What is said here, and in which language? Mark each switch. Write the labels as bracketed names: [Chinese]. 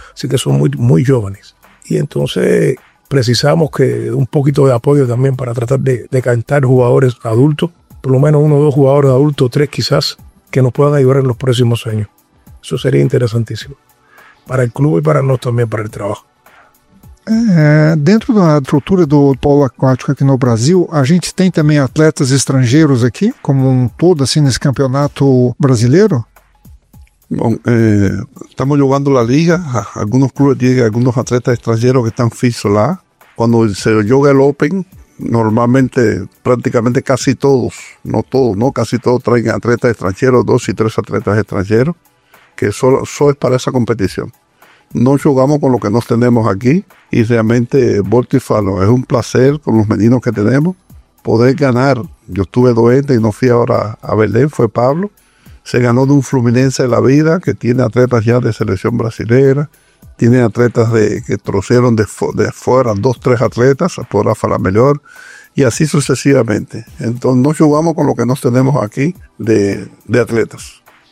[Spanish] Así que son muy, muy jóvenes. Y entonces precisamos que un poquito de apoyo también para tratar de cantar jugadores adultos. Por lo menos 1 o 2 jugadores adultos, 3 quizás, que nos puedan ayudar en los próximos años. Eso sería interesantísimo. Para el club y para nosotros también, para el trabajo. [Portuguese] Dentro da estrutura do polo aquático aqui no Brasil, a gente tem também atletas estrangeiros aqui, como um todo, assim, nesse campeonato brasileiro? Bom, estamos jogando na Liga, alguns clubes têm alguns atletas estrangeiros que estão fixos lá. Quando se joga o Open, normalmente, praticamente quase todos, não todos, não, quase todos traem atletas estrangeiros, 2 e 3 atletas estrangeiros, que só é para essa competição. Não jogamos com o que nós temos aqui e realmente, volto e falo, é um prazer com os meninos que temos poder ganhar. Eu estive doente e não fui agora a Belém, foi Pablo. [Spanish] Se ganó de un Fluminense de la vida, que tiene atletas ya de selección brasileña, tiene atletas que trajeron de afuera 2 o 3 atletas, podrá hablar mejor, y así sucesivamente. Entonces, no jugamos con lo que nos tenemos aquí de atletas.